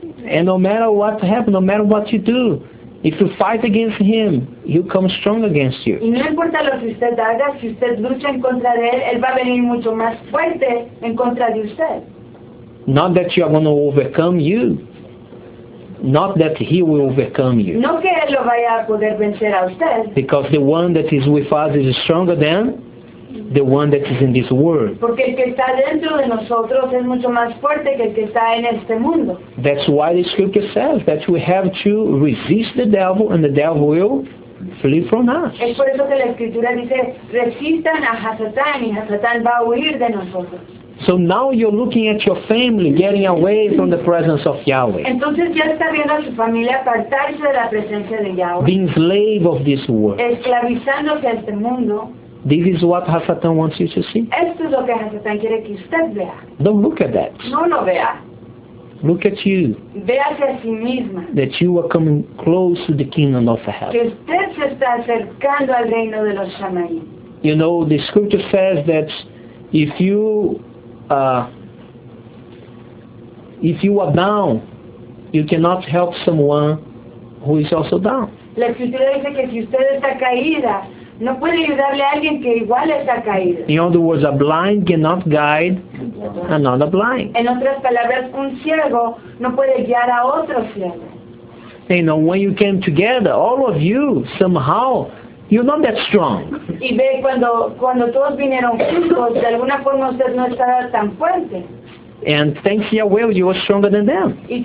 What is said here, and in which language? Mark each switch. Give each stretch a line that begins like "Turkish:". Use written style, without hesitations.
English: And no matter what happens, no matter what you do, if you fight against him, he'll come strong against you.
Spanish: Y no importa lo que usted haga, si usted lucha en contra de él, él va a venir mucho más fuerte en contra de usted.
English: Not that you are going to overcome you. Not that he will overcome you.
Spanish: No que él lo vaya a poder vencer a usted.
English: Because the one that is with us is stronger than the one that is in this world.
Spanish: Porque el que está dentro de nosotros es mucho más fuerte que el que está en este mundo.
English: That's why the scripture says that we have to resist the devil and the devil will flee from us.
Spanish: Es por eso que la escritura dice, resistan a Hasatán y Hasatán va a huir de nosotros.
English: So now you're looking at your family getting away from the presence of Yahweh.
Spanish: Entonces ya está viendo a su familia apartarse de la presencia de Yahweh.
English: Being slave of this world.
Spanish: Esclavizándose a este mundo.
English: This is what Hasatan wants you to see.
Spanish: Esto es lo que Hasatan quiere que usted vea.
English: Don't look at that.
Spanish: No lo vea.
English: Look at you.
Spanish: Véase a sí misma.
English: That you are coming close to the kingdom of heaven.
Spanish: Que usted se está acercando al reino de los Shamayim.
English: You know, the scripture says that if you are down, you cannot help someone who is also down.
Spanish: La escritura dice que si usted está caída, no puede ayudarle a alguien que igual está caído.
English: In other words, a blind cannot guide another blind.
Spanish: En otras palabras, un ciego no puede guiar a otro ciego.
English: You know, when you came together, all of you, somehow, you're not that strong.
Spanish: Y ve, cuando todos vinieron juntos, de alguna forma usted no estaba tan fuerte.
English: And thanks Yahweh, you are stronger than them.